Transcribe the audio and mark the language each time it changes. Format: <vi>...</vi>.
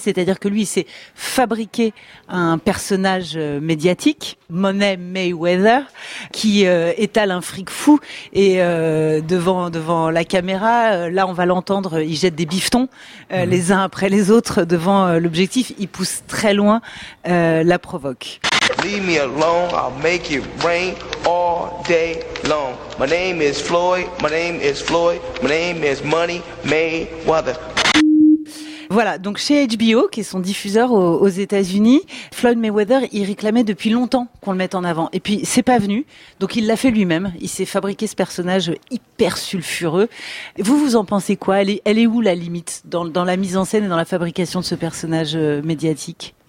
<fr>C'est-à-dire que lui, il s'est fabriqué un personnage médiatique, Money Mayweather, qui étale un fric fou. Et devant la caméra, là, on va l'entendre, il jette des bifetons les uns après les autres devant... L'objectif, il pousse très loin, la provoque.</fr> <en>Leave me alone, I'll make it rain all day long. My name is Floyd, my name is Floyd, my name is Money Mayweather.</en> <fr>Voilà, donc chez HBO, qui est son diffuseur aux États-Unis, Floyd Mayweather, il réclamait depuis longtemps qu'on le mette en avant. Et puis, c'est pas venu, donc il l'a fait lui-même. Il s'est fabriqué ce personnage hyper sulfureux. Vous, vous en pensez quoi ? Elle est où la limite dans la mise en scène et dans la fabrication de ce personnage médiatique ?</fr>